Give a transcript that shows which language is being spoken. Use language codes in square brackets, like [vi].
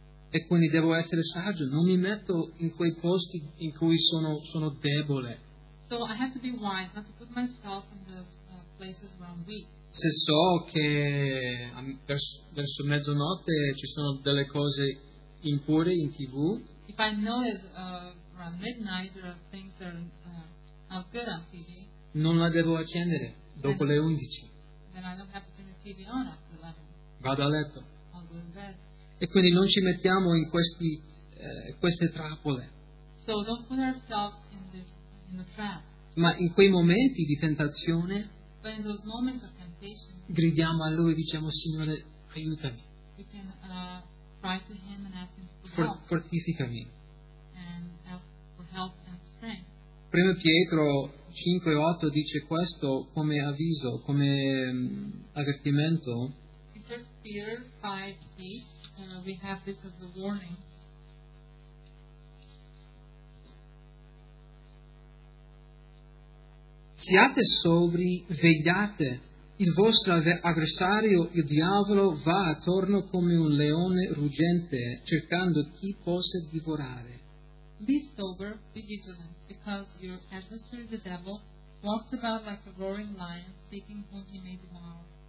[it] E quindi devo essere saggio, non mi metto in quei posti in cui sono debole. [en] So I have to be wise, not to put myself in the places where I'm weak. [it] Se so che verso mezzanotte ci sono delle cose impure in TV. [en] If I know it, around midnight there are things that are not good on TV. [it] Non la devo accendere dopo le 11. [en] Then I don't have to turn the TV on after 11. [it] Vado a letto. [en] I'll go to bed. [it] E quindi non ci mettiamo in queste trappole. [en] So don't put ourselves in the trap. [it] Ma in quei momenti di tentazione, [en] but in those moments of temptation, [it] gridiamo a Lui e diciamo: Signore, aiutami. [en] We can cry to Him and ask Him for help. [it] Fortificami. [en] And for help and strength. [it] Primo Pietro 5:8 dice questo come avviso, come avvertimento. [en] In 1 Peter 5:8. We have this as a warning. [it] Siate sobri, vegliate. Il vostro avversario, il diavolo, va attorno come un leone ruggente, cercando chi possa divorare. [en] Be sober, be vigilant, because your adversary, the devil, walks about like a roaring lion, seeking whom he may devour.